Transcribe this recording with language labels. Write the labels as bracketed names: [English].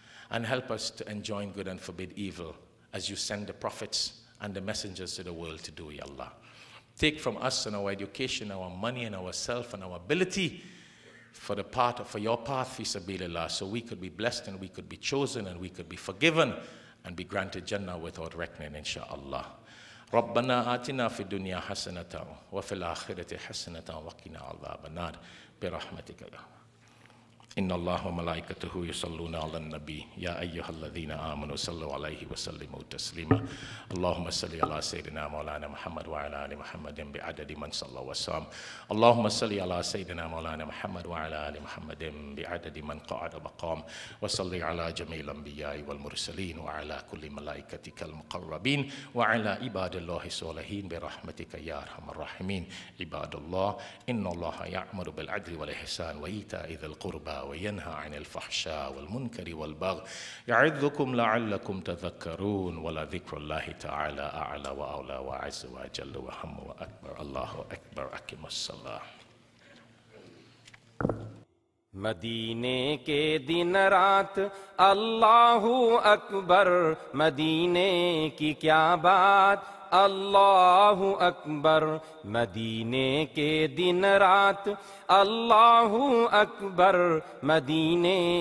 [English] And help us to enjoin good and forbid evil as you send the prophets and the messengers to the world to do, Ya Allah. Take from us and our education, our money and our self and our ability for the part of, for your path, fi sabilillah, so we could be blessed and we could be chosen and we could be forgiven and be granted Jannah without reckoning, inshaAllah. [Arabic] Rabbana atina fi dunya hasanata wa fil akhirati hasanata wa qina adhaban nar bi rahmatika ya إن الله وملائكته يصلون على النبي يا أيها الذين آمنوا صلوا عليه وسلموا تسليما اللهم صل على سيدنا مولانا محمد وعلى آل محمد بعدد من صلى وسلم اللهم صل على سيدنا مولانا محمد وعلى آل محمد بعدد من قعد وقام وصل على جميع الأنبياء والمرسلين وعلى كل ملائكتك المقربين وعلى عباد الله الصالحين برحمتك يا أرحم الراحمين عباد الله إن الله يأمر بالعدل والإحسان وإيتاء ذي القربى وينهى عن الفحشاء والمنكر والبغي يعظكم لعلكم تذكرون ولذكر الله تعالى أعلى وأولى وأعز وأجل وهم وأكبر الله أكبر أقم الصلاة [Urdu] مدینے کے دن رات اللہ اکبر مدینے کی کیا بات اللہ اکبر مدینے کے دن رات اللہ اکبر مدینے